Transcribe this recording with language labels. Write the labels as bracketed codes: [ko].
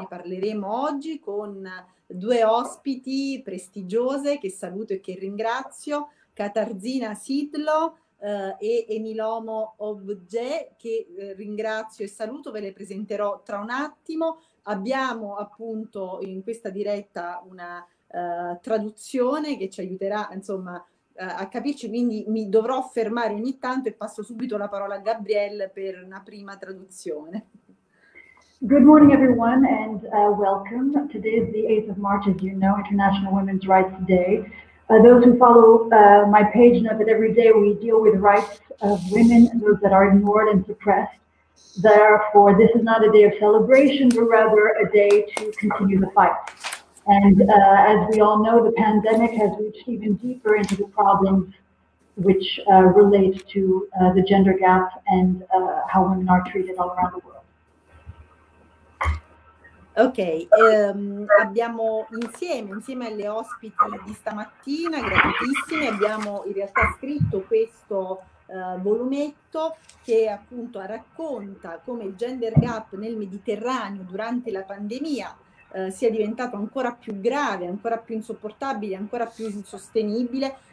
[it] Ne parleremo oggi con due ospiti prestigiose che saluto e che ringrazio, Katarzyna Sidlo e Emilomo Ogbje, che ringrazio e saluto, ve le presenterò tra un attimo. Abbiamo appunto in questa diretta una traduzione che ci aiuterà, insomma, a capirci, quindi mi dovrò fermare ogni tanto e passo subito la parola a Gabrielle per una prima traduzione. [en] Good morning, everyone, and welcome. Today is the 8th of March, as you know, International Women's Rights Day. Those who follow my page know that every day we deal with rights of women, those that are ignored and suppressed. Therefore, this is not a day of celebration, but rather a day to continue the fight. And as we all know, the pandemic has reached even deeper into the problems which relate to the gender gap and how women are treated all around the world. [it] Ok, abbiamo insieme alle ospiti di stamattina, graditissime, abbiamo in realtà scritto questo volumetto che appunto racconta come il gender gap nel Mediterraneo durante la pandemia sia diventato ancora più grave, ancora più insopportabile, ancora più insostenibile.